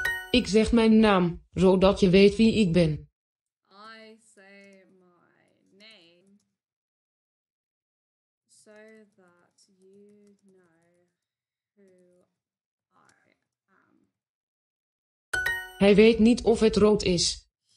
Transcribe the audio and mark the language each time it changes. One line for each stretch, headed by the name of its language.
Dutch: Ik zeg mijn naam, zodat je weet wie ik ben.
English: I say my name, so that you know who I am.
Dutch: Hij weet niet of het rood is.